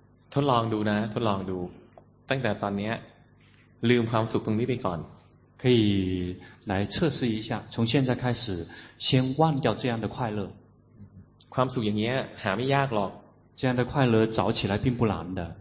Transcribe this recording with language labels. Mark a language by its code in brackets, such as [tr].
[th] เอางี้ทดลองดูนะทดลองดูตั้งแต่ตอนนี้ลืมความสุขตรงนี้ไปก่อน [zh] 可以来测试一下从现在开始先忘掉这样的快乐 [th] ความสุขอย่างเงี้ยหาไม่ยากหรอก [zh] 这样的快乐找起来并不难的